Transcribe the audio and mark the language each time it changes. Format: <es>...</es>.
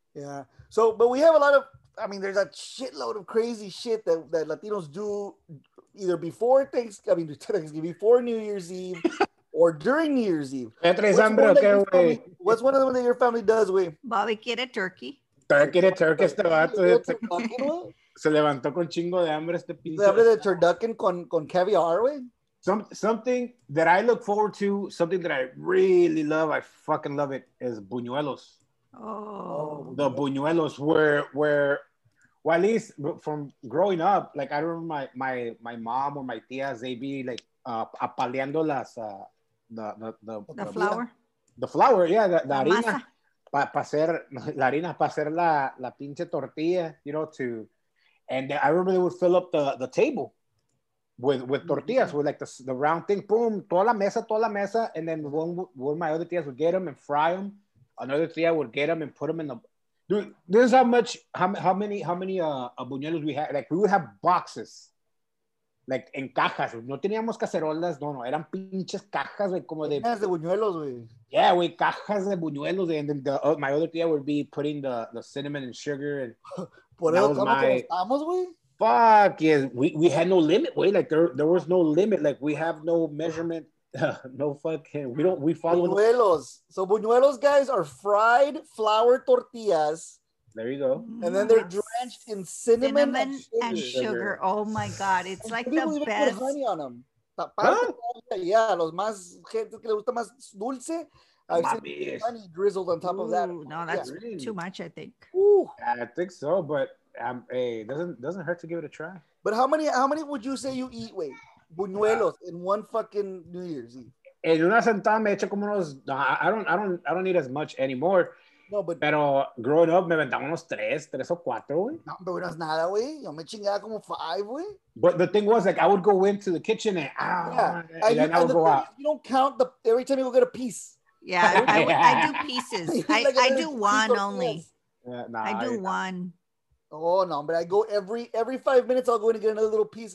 <en>Yeah. So, but we have a lot of, I mean, there's a shitload of crazy shit that Latinos do either before before New Year's Eve or during New Year's Eve. What's one of them that your family does, Wey? Barbecue turkey. Turkey de turkey.</en> <es>Este vato se levantó con chingo de hambre este pinche. Se abre de turducken con caviar, Wey.</es> <en>Something that I look forward to, something that I really love, I fucking love it, is buñuelos. Oh, buñuelos where, well, at least from growing up, like I remember my mom or my tías, they'd be like</en> <es>apaleando las</es> <en>the flour. The flour, yeah, the harina,</en> <es>para hacer la harina, para hacer la pinche tortilla,</es> <en>you know, and I remember they would fill up the table. With tortillas, mm-hmm. with like the round thing, boom,</en> <es>toda la mesa,</es> <en>and then one of my other tías would get them and fry them. Another tía would get them and put them in the. Dude, this is how many buñuelos we had. Like we would have boxes, like</en> <es>en cajas. No teníamos cacerolas, no, eran pinches cajas de como de. Cajas de buñuelos, güey.</es> <en>Yeah, güey,</en> <es>cajas de buñuelos,</es> <en>and then my other tía would be putting the cinnamon and sugar and.</en> <es>Por eso estamos, güey.</es> <en>Fuck yeah, we had no limit, way like there was no limit, like we have no measurement, no fucking, we follow buñuelos. So buñuelos, guys, are fried flour tortillas. There you go. And then they're drenched in cinnamon and sugar. Oh my god, it's like the best. Put honey on them. Huh?</en> <es>Yeah, los más gente que le gusta más dulce.</es> <en>I've seen honey drizzled on top of that. No, that's too much, I think. I think so, but. Hey, doesn't hurt to give it a try. But how many would you say you eat, Wey? Buñuelos in one fucking New Year's Eve.</en> <es>En una sentada me echo como unos.</es> <en>I don't eat as much anymore. No, but.</en> <es>Pero</es> <en>growing up</en> <es>me vendaba unos tres o cuatro, Wey. No, pero no es nada, Wey. Yo me chingaba como five, Wey.</es> <en>But the thing was, like, I would go into the kitchen and I would go out. You don't count the every time you go get a piece. Yeah, I do pieces. I do one only. Oh no, but I go every 5 minutes I'll go in and get another little piece.</en>